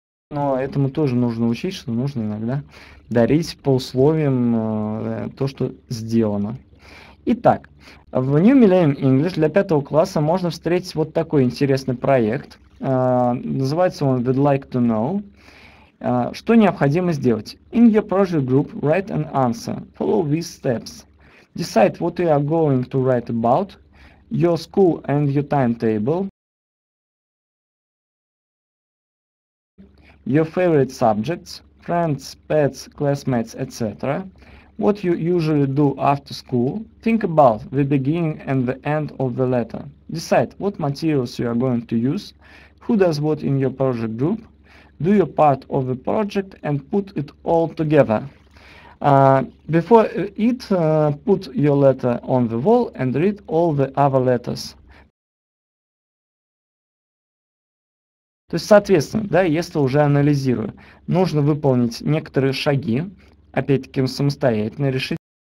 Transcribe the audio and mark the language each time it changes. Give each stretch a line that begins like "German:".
Russian: Но этому тоже нужно учить, что нужно иногда дарить по условиям то, что сделано. Итак, в New Millennium English для пятого класса можно встретить вот такой интересный проект. Называется он
English: «We'd like to know».
Russian: Что необходимо сделать?
English: In your project group, write an answer. Follow these steps. Decide what you are going to write about, your school and your timetable, your favorite subjects, friends, pets, classmates, etc. What you usually do after school? Think about the beginning and the end of the letter. Decide what materials you are going to use. Who does what in your project group? Do your part of the project and put it all together. Before it, put your letter on the wall and read all the other letters.
Russian: То есть, соответственно, да, если уже анализирую, нужно выполнить некоторые шаги, опять-таки, самостоятельно решить.